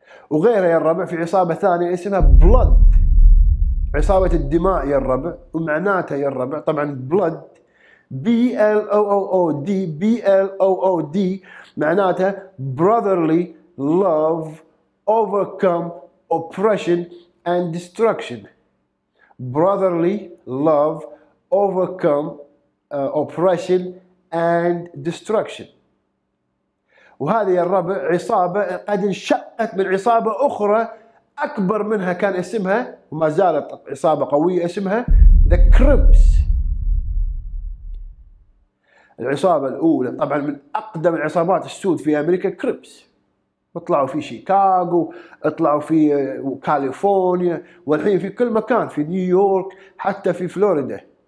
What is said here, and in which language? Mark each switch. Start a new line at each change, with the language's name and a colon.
Arabic: وغيرها يا الربع في عصابه ثانيه اسمها Blood، عصابة الدماء يا الربع، ومعناتها يا الربع طبعا blood BLOOD BLOOD معناتها
English: brotherly love overcome oppression and destruction. brotherly love overcome oppression and destruction.
Arabic: وهذه يا الربع عصابة قد انشقت من عصابة أخرى أكبر منها كان اسمها، وما زالت عصابة قوية اسمها The Crips. العصابة الأولى طبعا من أقدم العصابات السود في أمريكا Crips، وطلعوا في شيكاغو، اطلعوا في كاليفورنيا، والحين في كل مكان، في نيويورك، حتى في فلوريدا.